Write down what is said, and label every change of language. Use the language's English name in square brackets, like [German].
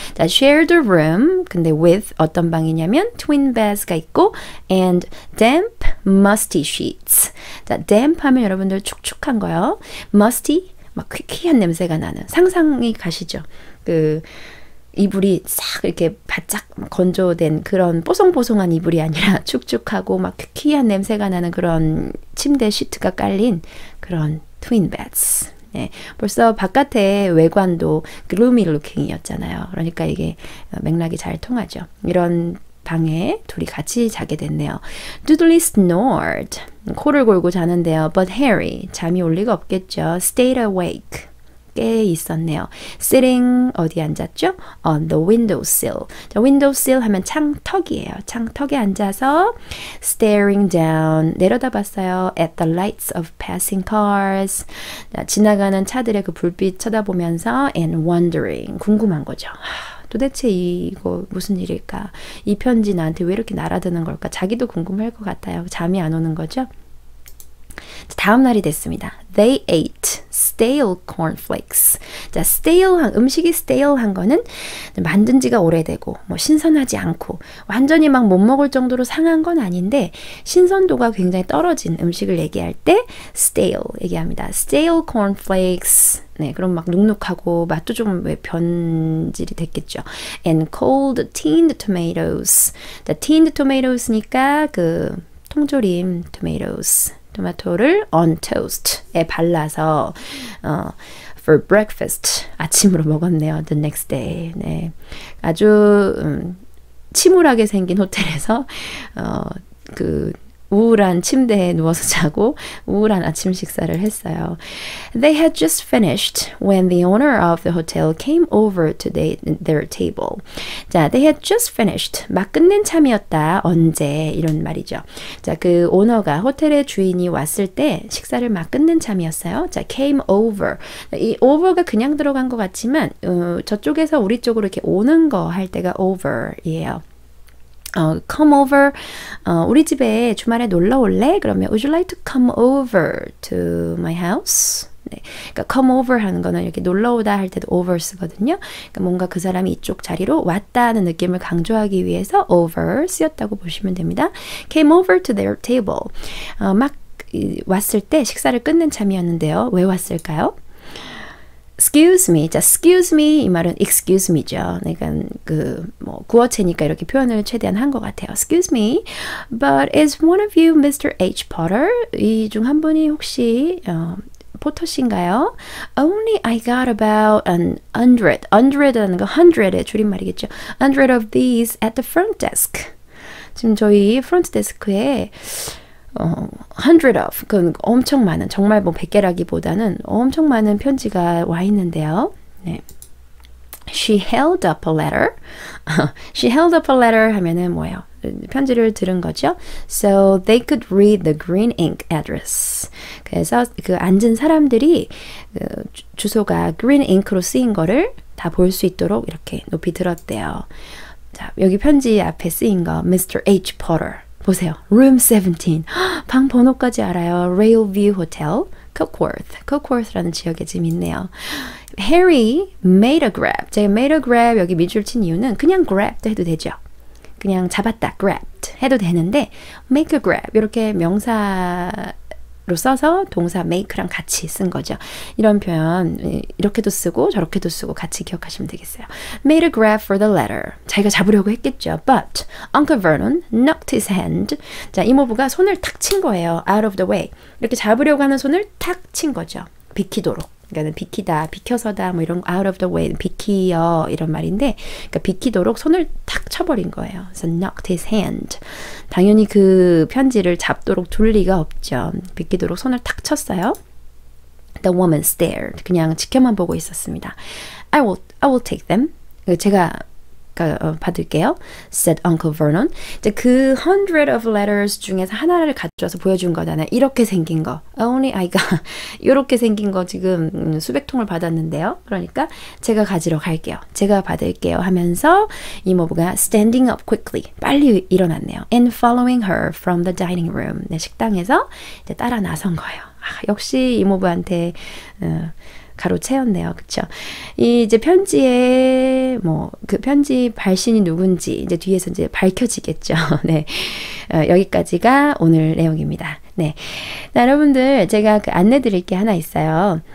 [English] 자, share the room. 근데 with [Korean] 어떤 방이냐면 [English] twin beds가 있고 and damp musty sheets. [Korean] 자, damp 하면 여러분들 축축한 거요. musty 막 퀴퀴한 냄새가 나는. 상상이 가시죠? 그 이불이 싹 이렇게 바짝 건조된 그런 뽀송뽀송한 이불이 아니라 축축하고 막 퀴퀴한 냄새가 나는 그런 침대 시트가 깔린 그런 트윈 베드스. 네, 벌써 바깥의 외관도 글루미 루킹이었잖아요. 그러니까 이게 맥락이 잘 통하죠. 이런 방에 둘이 같이 자게 됐네요. [English] Dudley snored. [Korean] 코를 골고 자는데요. But Harry, 잠이 올 리가 없겠죠. [English] Stayed awake. [Korean] 깨 있었네요. [English] Sitting [Korean] 어디 앉았죠? [English] On the windowsill. [Korean] 자, windowsill 하면 창턱이에요. 창턱에 앉아서 [English] staring down [Korean] 내려다봤어요. [English] At the lights of passing cars. [Korean] 자, 지나가는 차들의 그 불빛 쳐다보면서 [English] and wondering [Korean] 궁금한 거죠. 도대체 이거 무슨 일일까? 이 편지 나한테 왜 이렇게 날아드는 걸까? 자기도 궁금할 것 같아요. 잠이 안 오는 거죠? 다음 날이 됐습니다. [English] They ate stale cornflakes. [Korean] 자, stale 음식이 stale한 거는 만든 지가 오래되고 뭐 신선하지 않고 완전히 막못 먹을 정도로 상한 건 아닌데 신선도가 굉장히 떨어진 음식을 얘기할 때 stale 얘기합니다. [English] Stale cornflakes. [Korean] 네, 그럼 막 눅눅하고 맛도 좀 변질이 됐겠죠. [English] And cold tinned tomatoes. Tinned tomatoes니까 그 통조림 tomatoes. [Korean] 토마토를 on toast에 발라서 [English] for breakfast [Korean] 아침으로 먹었네요. [English] The next day. [Korean] 네, 아주 침울하게 생긴 호텔에서 그 우울한 침대에 누워서 자고 우울한 아침 식사를 했어요. [English] They had just finished when the owner of the hotel came over to their table. 자, they had just finished. [Korean] 막 끝낸 참이었다. 언제? 이런 말이죠. 자, 그 오너가 호텔의 주인이 왔을 때 식사를 막 끝낸 참이었어요. [English] 자, came over. [Korean] 이 over가 그냥 들어간 것 같지만 저쪽에서 우리 쪽으로 이렇게 오는 거할 때가 over예요. [English] Come over. [Korean] 우리 집에 주말에 놀러 올래? [English] 그러면 Would you like to come over to my house? [Korean] 네. 그러니까 come over 하는 거는 이렇게 놀러 오다 할 때도 over 쓰거든요. 그러니까 뭔가 그 사람이 이쪽 자리로 왔다는 느낌을 강조하기 위해서 over 쓰였다고 보시면 됩니다. [English] Came over to their table. [Korean] 막 왔을 때 식사를 끝낸 참이었는데요. 왜 왔을까요? [English] Excuse me. [Korean] 자, excuse me. 이 말은 excuse me죠. 그러니까 그뭐 구어체니까 이렇게 표현을 최대한 한것 같아요. [English] Excuse me. But is one of you Mr. H. Potter? [Korean] 이중한 분이 혹시 포터신가요? [English] Only I got about an hundred. [Korean] Hundred라는 거 hundred의 줄임말이겠죠. [English] Hundred of these at the front desk. [Korean] 지금 저희 프론트 데스크에 hundred of, 그 엄청 많은, 정말 뭐 100개라기보다는 엄청 많은 편지가 와 있는데요. [English] 네. She held up a letter. She held up a letter [Korean] 하면은 뭐예요? 편지를 들은 거죠. [English] So they could read the green ink address. [Korean] 그래서 그 앉은 사람들이 주소가 green ink으로 쓰인 거를 다볼수 있도록 이렇게 높이 들었대요. 자, 여기 편지 앞에 쓰인 거, Mr. H. Potter. 보세요. Room 17. 방 번호까지 알아요. [English] Railview Hotel, Cookworth. [Korean] Cookworth라는 지역에 지금 있네요. [English] Harry made a grab. [Korean] 제가 made a grab 여기 밑줄 친 이유는 그냥 grabbed 해도 되죠. 그냥 잡았다, grabbed 해도 되는데 make a grab 이렇게 명사로 써서 동사 make랑 같이 쓴 거죠. 이런 표현 이렇게도 쓰고 저렇게도 쓰고 같이 기억하시면 되겠어요. [English] Made a grab for the letter. [Korean] 자기가 잡으려고 했겠죠. [English] But Uncle Vernon knocked his hand. [Korean] 자, 이모부가 손을 탁친 거예요. [English] Out of the way. [Korean] 이렇게 잡으려고 하는 손을 탁친 거죠. 비키도록. 그러니까 비키다, 비켜서다, 뭐 이런 [English] out of the way, [Korean] 비키어 이런 말인데, 그러니까 비키도록 손을 탁 쳐버린 거예요. [English] So knocked his hand. [Korean] 당연히 그 편지를 잡도록 둘 리가 없죠. 비키도록 손을 탁 쳤어요. [English] The woman stared. [Korean] 그냥 지켜만 보고 있었습니다. [English] I will take them. [Korean] 제가 받을게요. [English] Said Uncle Vernon. [Korean] 이제 그 hundred of letters 중에서 하나를 가져와서 보여준 거잖아요. 이렇게 생긴 거. [English] Only I got. [Korean] 이렇게 생긴 거 지금 수백 통을 받았는데요. 그러니까 제가 가지러 갈게요. 제가 받을게요. 하면서 이모부가 [English] standing up quickly. [Korean] 빨리 일어났네요. [English] And following her from the dining room. [Korean] 네, 식당에서 이제 따라 나선 거예요. 아, 역시 이모부한테 가로채었네요. 그쵸? 이 이제 편지에 뭐그 편지 발신이 누군지 이제 뒤에서 이제 밝혀지겠죠. 네. 여기까지가 오늘 내용입니다. 네. 자, 여러분들 제가 그 안내 드릴 게 하나 있어요.